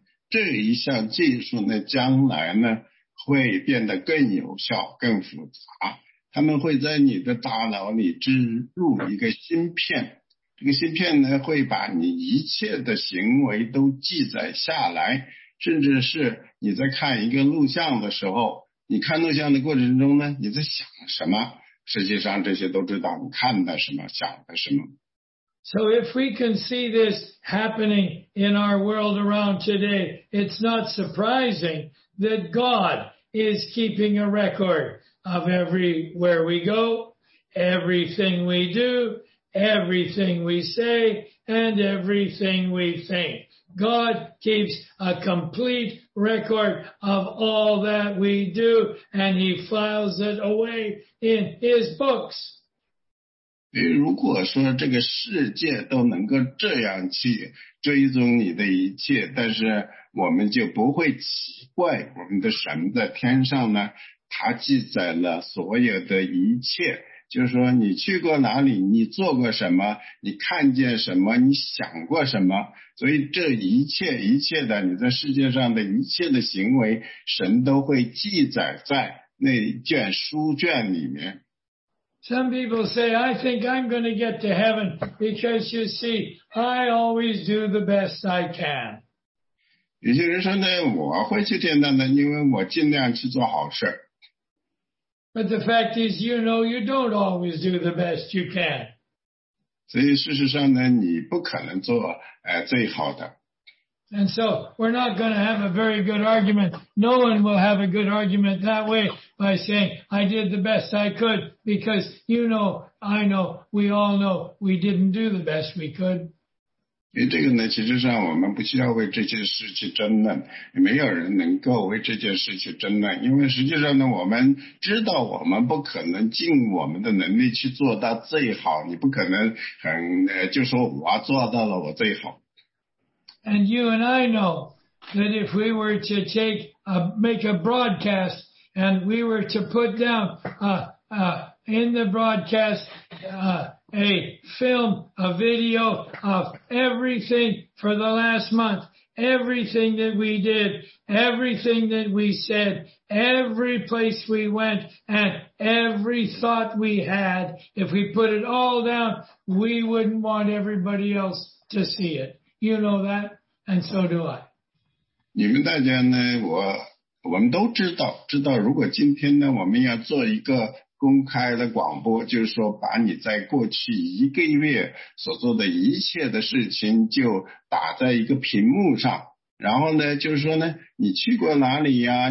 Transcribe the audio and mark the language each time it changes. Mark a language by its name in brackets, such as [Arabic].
[Chinese] 这一项技术呢，将来呢，会变得更有效更复杂，他们会在你的大脑里植入一个芯片，这个芯片呢会把你一切的行为都记载下来，甚至是你在看一个录像的时候，你看录像的过程中呢，你在想什么？实际上这些都知道你看的什么，想的什么。 [English] So if we can see this happening in our world around today, it's not surprising that God is keeping a record of everywhere we go, everything we do, everything we say, and everything we think. God keeps a complete record of all that we do, and he files it away in his books. [Chinese] 如果说这个世界都能够这样去追踪你的一切，但是我们就不会奇怪我们的神在天上呢，他记载了所有的一切，就是说你去过哪里，你做过什么，你看见什么，你想过什么，所以这一切一切的你在世界上的一切的行为，神都会记载在那卷书卷里面。 [English] Some people say, I think I'm going to get to heaven because you see, I always do the best I can. [Chinese] 有些人说呢，我会去天堂的，因为我尽量去做好事。 [English] But the fact is, you know, you don't always do the best you can. [Chinese] 所以事实上呢，你不可能做最好的。 [English] And so, we're not going to have a very good argument. No one will have a good argument that way by saying, I did the best I could, because you know, I know, we all know, we didn't do the best we could. [Chinese] 因为这个呢，其实上我们不需要为这件事去争论，也没有人能够为这件事去争论，因为实际上呢，我们知道我们不可能尽我们的能力去做到最好，你不可能很就说我做到了我最好。 [English] And you and I know that if we were to make a broadcast and we were to put down in the broadcast a film, a video of everything for the last month, everything that we did, everything that we said, every place we went, and every thought we had, if we put it all down, we wouldn't want everybody else to see it. You know that, and so do I. [Chinese] 你们大家呢？我们都知道，如果今天呢，我们要做一个公开的广播，就是说，把你在过去一个月所做的一切的事情就打在一个屏幕上，然后呢，就是说呢，你去过哪里呀？